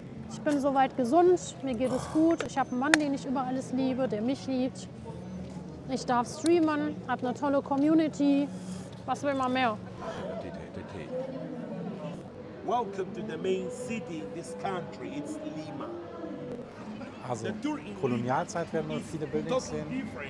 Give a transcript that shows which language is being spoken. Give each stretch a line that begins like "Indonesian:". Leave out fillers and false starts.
German: Ich bin soweit gesund, mir geht es gut. Ich habe einen Mann, den ich über alles liebe, der mich liebt. Ich darf streamen, habe eine tolle Community. Was will man mehr?
English: Welcome to the main city in this country, it's Lima.
German: Also, Kolonialzeit werden wir viele Buildings sehen.